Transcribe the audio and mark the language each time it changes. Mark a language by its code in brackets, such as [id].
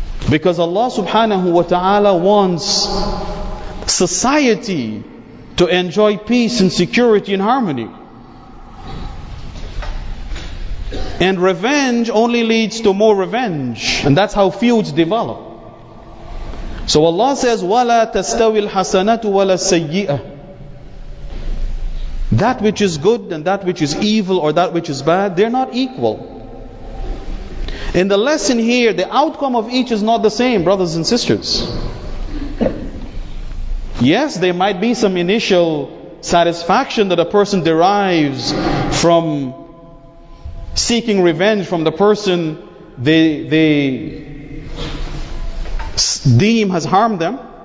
[en] Because Allah subhanahu wa ta'ala wants society to enjoy peace and security and harmony. And revenge only leads to more revenge. And that's how feuds develop. So Allah says, [ar] وَلَا تَسْتَوِي الْحَسَنَةُ وَلَا السَّيِّئَةُ. [en] That which is good and that which is evil or that which is bad, they're not equal. In the lesson here, the outcome of each is not the same, brothers and sisters. Yes, there might be some initial satisfaction that a person derives from seeking revenge from the person they deem has harmed them.